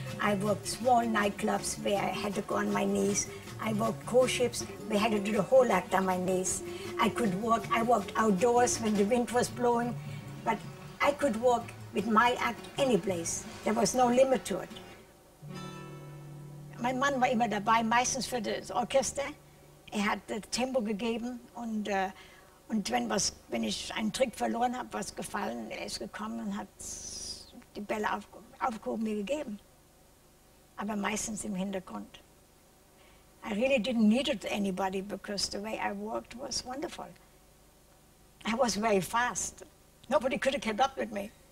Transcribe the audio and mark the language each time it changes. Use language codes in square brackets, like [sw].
[en] I worked small nightclubs where I had to go on my knees. I worked cruise ships where I had to do the whole act on my knees. I worked outdoors when the wind was blowing, but I could work with my act any place. There was no limit to it. My man [de] war immer dabei, meistens für das Orchester. Er hat das Tempo gegeben und wenn ich einen Trick verloren habe, was gefallen, er ist gekommen und hat die Bälle aufgehoben mir gegeben. Aber meistens im Hintergrund. [en] I really didn't need it anybody because the way I worked was wonderful. I was very fast. Nobody could have kept up with me.